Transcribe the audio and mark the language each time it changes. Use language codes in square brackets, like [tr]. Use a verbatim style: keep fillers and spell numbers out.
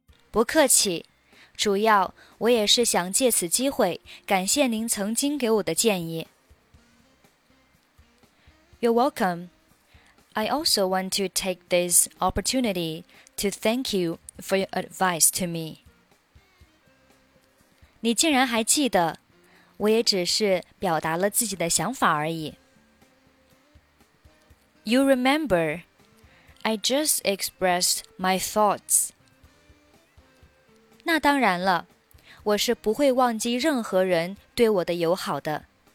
[zh] 不客气，主要我也是想借此机会感谢您曾经给我的建议。 [en] You're welcome. I also want to take this opportunity to thank you for your advice to me. [zh] 你竟然还记得，我也只是表达了自己的想法而已。 [en] You remember, I just expressed my thoughts. [zh] 那当然了，我是不会忘记任何人对我的友好的。